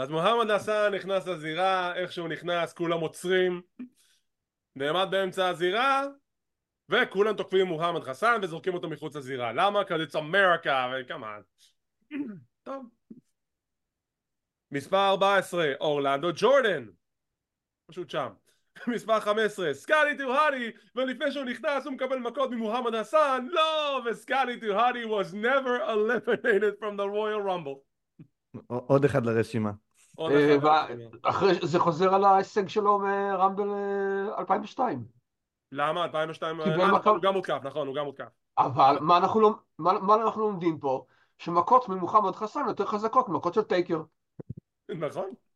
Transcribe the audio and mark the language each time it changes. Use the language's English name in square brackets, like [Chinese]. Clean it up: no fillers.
[Hebrew] אז מוחמד חסן נכנס לזירה, איכשהו נכנס, כולם עוצרים, נעמד באמצע הזירה, וכולם תוקפים מוחמד חסן וזורקים אותו מחוץ לזירה. למה? כי זה אמריקה, וכמובן. טוב. מספר 14, אורלנדו ג'ורדן. פשוט שם. מספר 15, סקאלי טו הארי, ולפני שהוא נכנס הוא מקבל מכות ממוחמד חסן, לא! [English] וסקאלי טו הארי was never eliminated from the Royal Rumble. [Hebrew] עוד אחד לרשימה. עוד אחד לרשימה. זה חוזר על ההישג שלו מרמבל 2002. למה? 2002? הוא גם הותקף, נכון, הוא גם הותקף. אבל מה אנחנו לומדים פה? שמכות ממוחמד חסן יותר חזקות, מכות של טייקר. נכון.